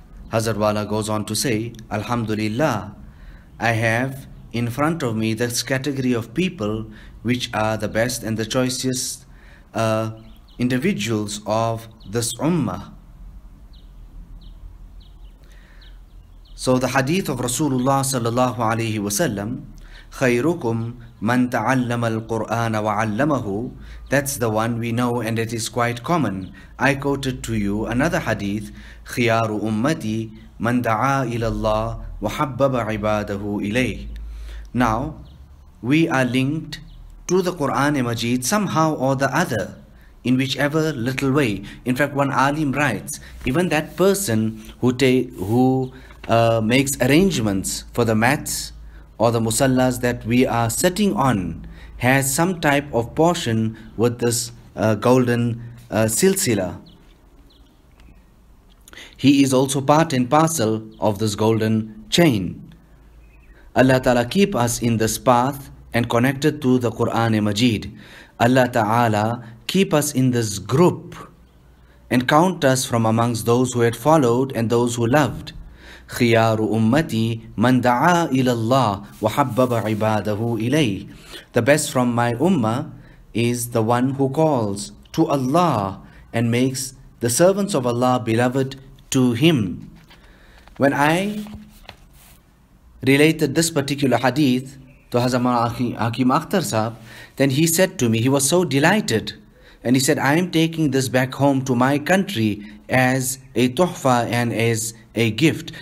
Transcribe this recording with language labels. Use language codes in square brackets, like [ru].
[en] Hazrat Wala goes on to say, Alhamdulillah, I have in front of me this category of people which are the best and the choicest individuals of this ummah. So the hadith of Rasulullah sallallahu alayhi wa sallam, [ar] خَيْرُكُمْ مَنْ تَعَلَّمَ الْقُرْآنَ وَعَلَّمَهُ. [en] That's the one we know and it is quite common. I quoted to you another hadith, [ar] خِيَارُ أُمَّتِي مَنْ دَعَى إِلَى اللَّهِ وَحَبَّبَ عِبَادَهُ إِلَيْهِ. [en] Now, we are linked to the Qur'an Majeed somehow or the other, in whichever little way. In fact, one alim writes, even that person who makes arrangements for the mats or the musallas that we are sitting on has some type of portion with this golden silsila. He is also part and parcel of this golden chain. Allah Ta'ala keep us in this path and connected to the Quran Majeed. Allah Ta'ala keep us in this group and count us from amongst those who had followed and those who loved. [ar] خيار أمتي من دعا إلى الله وحبب عباده إليه. [en] The best from my ummah is the one who calls to Allah and makes the servants of Allah beloved to Him. When I related this particular hadith to Hazrat Hakim Akhtar Sahab, then he said to me, he was so delighted, and he said, I am taking this back home to my country as a tuhfa and as a gift.